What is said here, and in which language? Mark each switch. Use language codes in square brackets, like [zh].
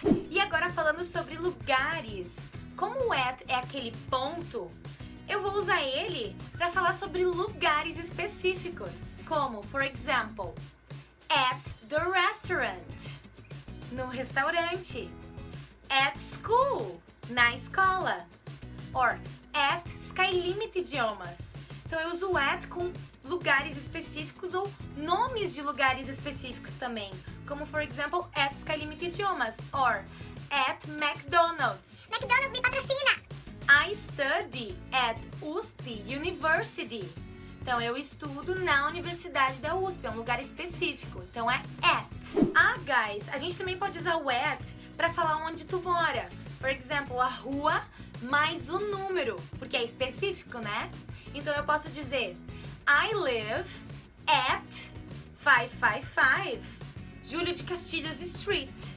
[pt] E agora falando sobre lugares. Como o at é aquele ponto, eu vou usar ele para falar sobre lugares específicos, como, [en] for example, at the restaurant, [pt] no restaurante, [en] at school, [pt] na escola, [en] or at Sky Limit Idiomas. [pt] Então eu uso at com lugares específicos ou nomes de lugares específicos também, como, [en] for example, [pt] at Sky Limit Idiomas, [en] or at McDonald's. [pt] McDonald's me patrocina! [en] I study at USP University. [pt] Então eu estudo na Universidade da USP, é um lugar específico. Então é at. Ah, guys, a gente também pode usar o at para falar onde tu mora. Por exemplo, a rua mais o número, porque é específico, né? Então eu posso dizer [en] I live at 555 Júlio de Castilhos Street.